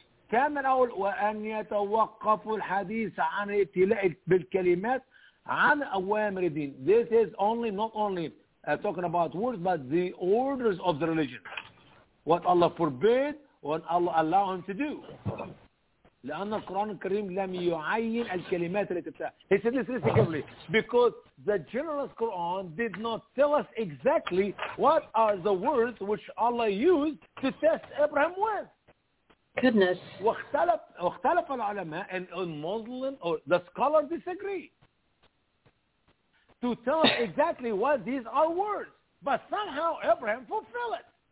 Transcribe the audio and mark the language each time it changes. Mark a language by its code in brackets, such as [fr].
[ar] كان من أول وأن يتوقف الحديث عن ابتلاء بالكلمات عن أوامر الدين. [en] This is only, not only talking about words, but the orders of the religion. What Allah forbid, what Allah allow him to do. [ar] لأن القرآن الكريم لم يعين الكلمات التي ابتلاء. [en] He said this recently because the generous Quran did not tell us exactly what are the words which Allah used to test Abraham with. Goodness. [ar] واختلف العلماء [en] and Muslim or the scholars disagree to tell exactly what these are words, but somehow Abraham fulfilled it.